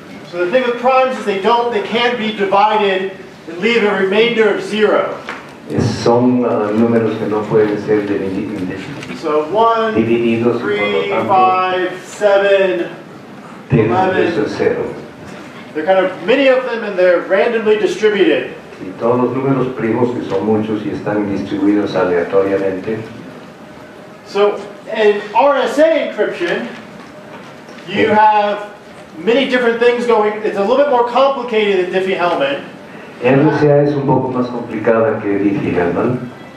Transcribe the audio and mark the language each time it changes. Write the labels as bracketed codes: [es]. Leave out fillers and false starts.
[en] So the thing with primes is they can't be divided and leave a remainder of zero. [es] Son números que no pueden ser divididos. [en] So 1, 3, 5, 7, 11. They're kind of many of them and they're randomly distributed. [es] Y todos los números primos que son muchos y están distribuidos aleatoriamente. [en] So in RSA encryption, you have many different things going. It's a little bit more complicated than Diffie-Hellman. [es] RSA es un poco más complicada que Diffie-Hellman.